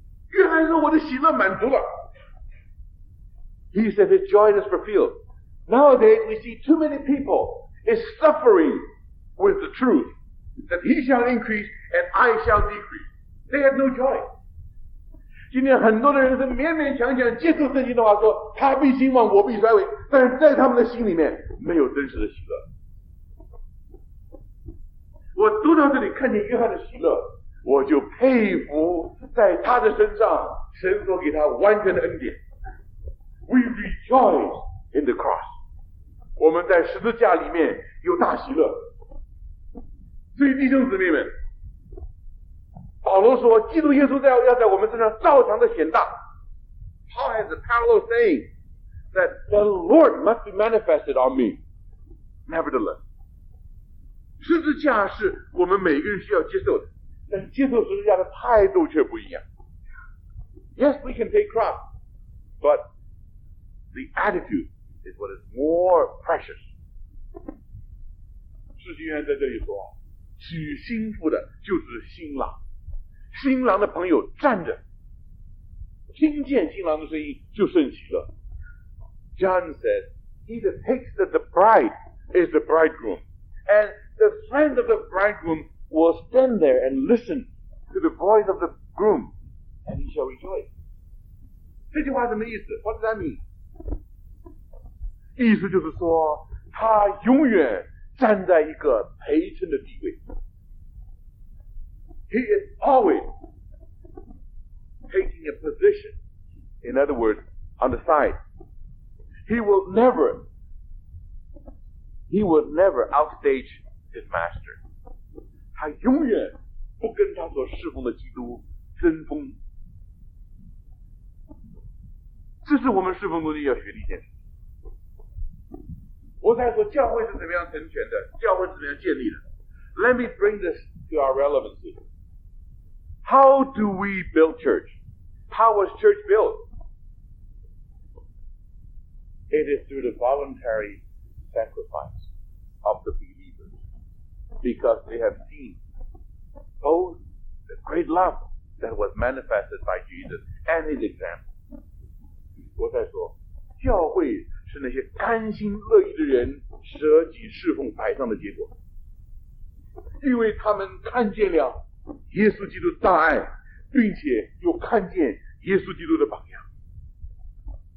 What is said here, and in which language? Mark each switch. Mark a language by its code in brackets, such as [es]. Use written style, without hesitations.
[zh] 约翰说我的喜乐满足了。 [en] He said his joy is fulfilled. Nowadays, we see too many people is suffering with the truth that he shall increase and I shall decrease. They have no joy. [zh] 今天很多的人是勉勉强强接受圣经的话说他必兴旺我必衰微，但是在他们的心里面没有真实的喜乐。我读到这里看见约翰的喜乐，我就佩服在他的身上神所给他完全的恩典。 [en] We rejoice in the cross. [zh] 我们在十字架里面有大喜乐。所以弟兄姊妹们，保罗说基督耶稣要在我们身上照常的显大。 [en] Paul has a parallel saying that the Lord must be manifested on me. Nevertheless, [zh] 十字架是我们每个人需要接受的，但是接受十字架的态度却不一样。 [en] Yes, we can take cross, but the attitude is what is more precious. [zh] 世纪元在这里说，娶新妇的就是新郎，新郎的朋友站着，听见新郎的声音就甚喜乐。 [en] John says, he that takes the bride is the bridegroom, and the friend of the bridegroom will stand there and listen to the voice of the groom and he shall rejoice. [zh] 这句话什么意思？ [en] What does that mean? [zh] 意思就是说他永远站在一个陪衬的地位。 [en] He is always taking a position. In other words, on the side. He will never outstage his master. [zh] 他永远不跟他所侍奉的基督争锋。这是我们侍奉目的要学的一件事。我才说教会是怎么样成全的，教会是怎么样建立的。 [en] Let me bring this to our relevancy. How do we build church? How was church built? It is through the voluntary sacrifice of the believers, because they have seen both the great love that was manifested by Jesus and his example. [zh] 我再说，教会是那些甘心乐意的人舍己侍奉摆上的结果，因为他们看见了耶稣基督大爱，并且又看见耶稣基督的榜样。